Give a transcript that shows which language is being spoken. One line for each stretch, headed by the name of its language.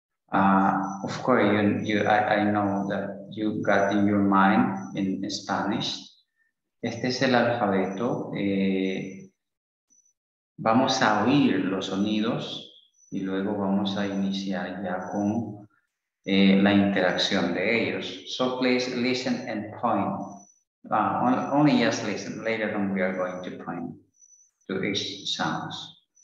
English: Of course, I know that you got in your mind in Spanish.
Spanish: Este es el alfabeto. Vamos a oír los sonidos y luego vamos a iniciar ya con la interacción de ellos.
English: So please listen and point. Only just listen. Later on we are going to point to these sounds.